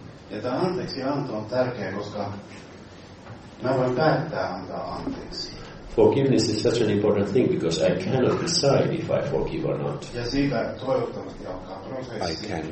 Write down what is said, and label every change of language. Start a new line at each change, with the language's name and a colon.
Finnish: Ja tämä anteeksianto on tärkeä, koska mä voin päättää antaa anteeksi.
English: Forgiveness is such an important thing because I cannot decide if I forgive or not.
Finnish: Ja siitä toivottavasti alkaa prosessi.